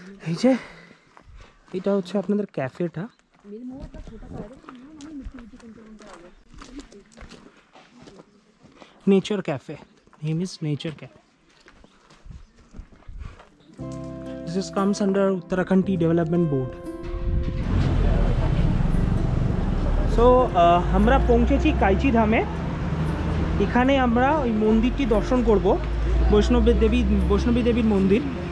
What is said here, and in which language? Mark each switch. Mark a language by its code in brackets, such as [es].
[bn] এই যে এটা হচ্ছে আপনাদের ক্যাফেটা, nature cafe, [en] Name is nature cafe. This comes under Uttarakhand Tea Development Board. [bn] So, আমরা পৌঁছেছি কাইচি ধামে, এখানে আমরা ওই মন্দিরটি দর্শন করবো, বৈষ্ণবী দেবীর মন্দির।